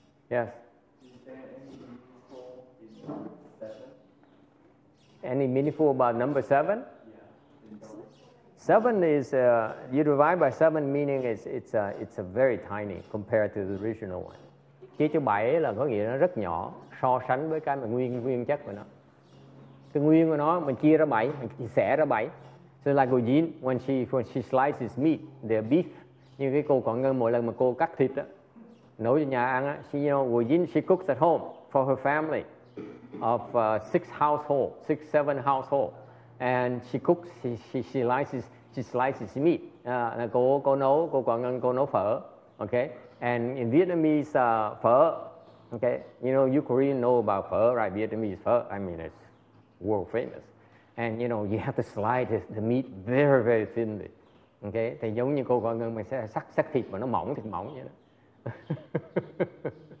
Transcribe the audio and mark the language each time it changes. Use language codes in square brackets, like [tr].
[en] Yes. Any meaningful about number seven? Yeah. Seven is you divide by seven, meaning it's a very tiny compared to the original one. [vi] Chia cho bảy là có nghĩa nó rất nhỏ so sánh với cái mà nguyên chất của nó. Cái nguyên của nó mình chia ra bảy, mình xẻ ra bảy. [en] So like Jean, when she slices meat, the beef, [vi] như cái cô Quảng Ngân mỗi lần mà cô cắt thịt á, nấu cho nhà ăn á, [en] she, you know, Jean, she cooks at home for her family. Of six, seven household, and she cooks, she slices meat. [vi] Cô nấu, cô Quảng Ngân, cô nấu phở, okay? [en] And in Vietnamese, phở, okay? You know, you Korean know about phở, right? Vietnamese phở, I mean, it's world famous. And, you know, you have to slice the meat very, very thinly, okay? [vi] Thì giống như cô Quảng Ngân, mình sẽ sắc sắc thịt mà nó mỏng, thịt mỏng vậy đó.